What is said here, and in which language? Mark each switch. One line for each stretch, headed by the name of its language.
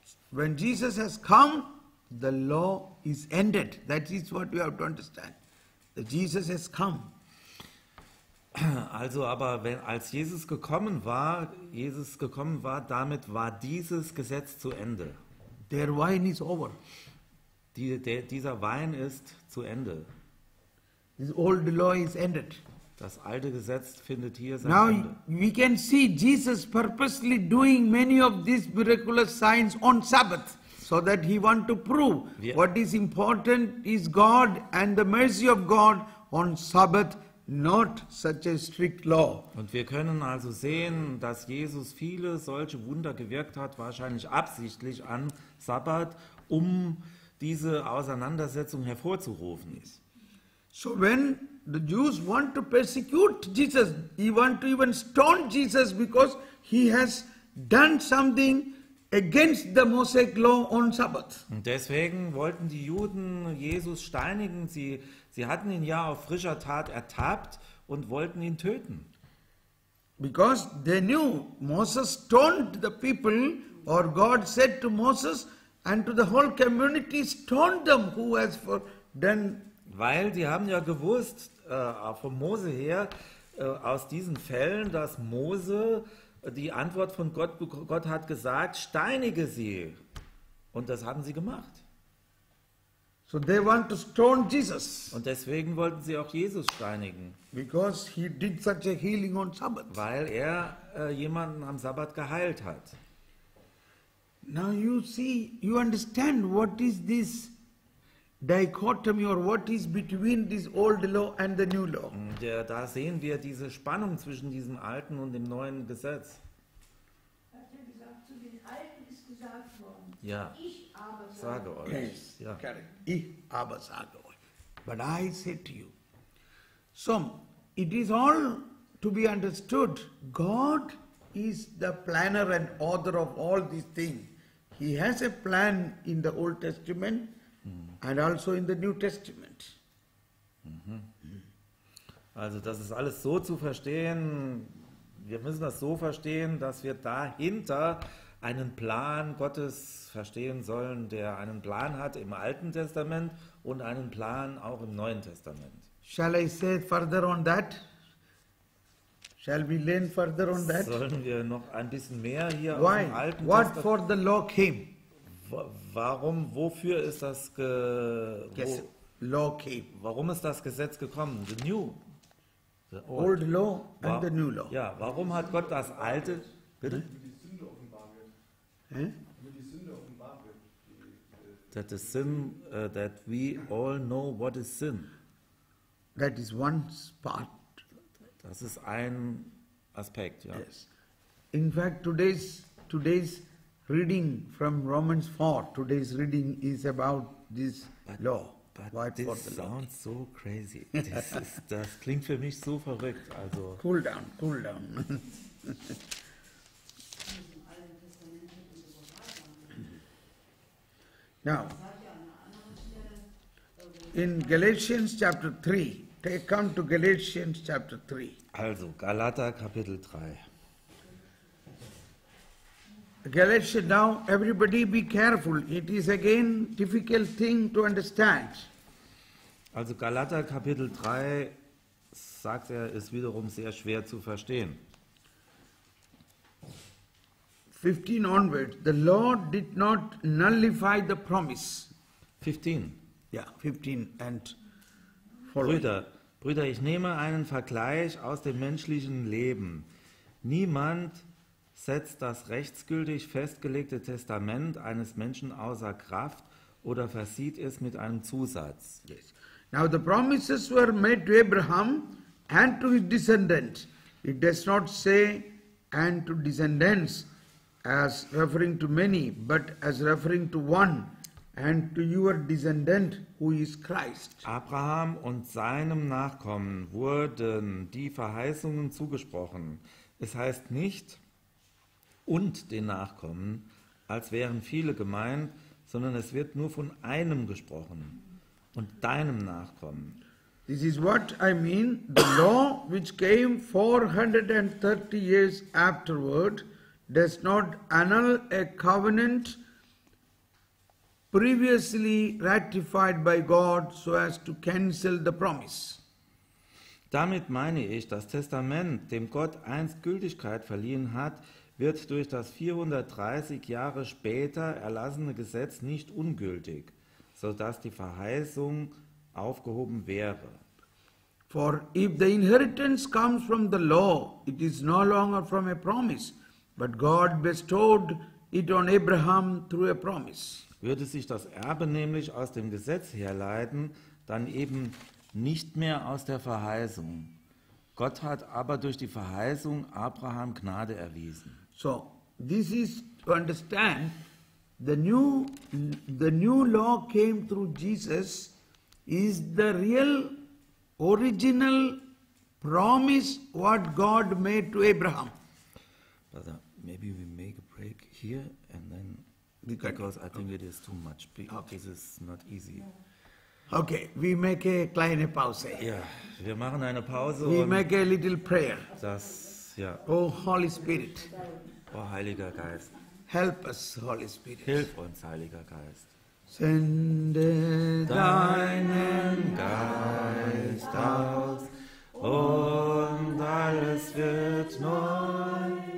English: When Jesus has come, the law is ended. That is what we have to understand. Jesus has come.
German: Also aber, als Jesus gekommen war, damit war dieses Gesetz zu Ende. Der Wein ist over. Dieser Wein ist zu Ende.
English: This old law is ended.
German: Das alte Gesetz findet hier sein
English: Now
German: Ende.
English: Now we can see Jesus purposely doing many of these miraculous signs on Sabbath, so that he want to prove what is important is God and the mercy of God on Sabbath, not such a strict law.
German: Und wir können also sehen, dass Jesus viele solche Wunder gewirkt hat, wahrscheinlich absichtlich an Sabbat, um diese Auseinandersetzung hervorzurufen.
English: So when the Jews want to persecute Jesus, they want to even stone Jesus because he has done something against the Mosaic law on Sabbath.
German: Und deswegen wollten die Juden Jesus steinigen. Sie hatten ihn ja auf frischer Tat ertappt und wollten ihn töten.
English: Because they knew Moses stoned the people, or God said to Moses and to the whole community, stone them who has for done.
German: Weil die haben ja gewusst, von Mose her, aus diesen Fällen, dass Mose die Antwort von Gott hat gesagt, steinige sie. Und das haben sie gemacht.
English: So they want to stone Jesus.
German: Und deswegen wollten sie auch Jesus steinigen.
English: Because he did such a healing on Sabbath.
German: Weil er jemanden am Sabbat geheilt hat.
English: Now you see, you understand what is this dichotomy or what is between this old law and the new law.
German: Da sehen wir diese Spannung zwischen diesem alten und dem neuen Gesetz. Ja. Ich aber sage euch.
English: Yes, ja. Correct.
German: Ich aber sage euch.
English: But I say to you. So, it is all to be understood. God is the planner and author of all these things. He has a plan in the Old Testament and also in the New Testament.
German: Also das ist alles so zu verstehen, wir müssen das so verstehen, dass wir dahinter einen Plan Gottes verstehen sollen, der einen Plan hat im Alten Testament und einen Plan auch im Neuen Testament.
English: Shall I say further on that? Shall we learn further on that?
German: Sollen wir noch ein bisschen mehr hier
English: Why?
German: Im Alten
English: What
German: Testament?
English: For the law came?
German: Warum, wofür ist das
English: law came.
German: Warum ist das Gesetz gekommen?
English: The new? The old law and the new law.
German: Ja, warum hat Gott das alte? Bitte?
English: That the sin that we all know what is sin. That is one part.
German: Das ist ein Aspekt, ja.
English: Yes. In fact, today's reading from Romans 4, today's reading is about this law. But this sounds so crazy.
German: Das klingt für mich so verrückt. Also.
English: Cool down. Now, in Galatians chapter 3, come to Galatians chapter 3.
German: Also, Galater Kapitel 3.
English: Galatians, now everybody be careful. It is again difficult thing to understand.
German: Also, Galater Kapitel 3, sagt er, ist wiederum sehr schwer zu verstehen.
English: 15 onward, the law did not nullify the promise. 15. Ja, 15 and following.
German: Brüder, ich nehme einen Vergleich aus dem menschlichen Leben. Niemand setzt das rechtsgültig festgelegte Testament eines Menschen außer Kraft oder versieht es mit einem Zusatz.
English: Yes. Now the promises were made to Abraham and to his descendants. It does not say and to descendants as referring to many, but as referring to one, and to your descendant who is Christ.
German: Abraham und seinem Nachkommen wurden die Verheißungen zugesprochen. Es heißt nicht und den Nachkommen, als wären viele gemeint, sondern es wird nur von einem gesprochen, und deinem Nachkommen.
English: This is what I mean. The law which came 430 years afterward does not annul a covenant previously ratified by God so as to cancel the promise.
German: Damit meine ich, das Testament, dem Gott einst Gültigkeit verliehen hat, wird durch das 430 Jahre später erlassene Gesetz nicht ungültig, sodass die Verheißung aufgehoben wäre.
English: For if the inheritance comes from the law, it is no longer from a promise, but God bestowed it on Abraham through a promise.
German: Würde sich das Erbe nämlich aus dem Gesetz herleiten, dann eben nicht mehr aus der Verheißung. Gott hat aber durch die Verheißung Abraham Gnade erwiesen.
English: So, this is to understand, the new law came through Jesus, is the real original promise what God made to Abraham. Brother, maybe we make a break here and then, because I think it is too much. This is not easy. Okay, we make a
German: kleine Pause. Ja, wir machen eine Pause.
English: We make a little prayer.
German: Das, ja.
English: Oh, Holy Spirit.
German: Oh, Heiliger Geist.
English: Help us, Holy Spirit.
German: Hilf uns, Heiliger Geist. Sende deinen Geist aus und alles wird neu.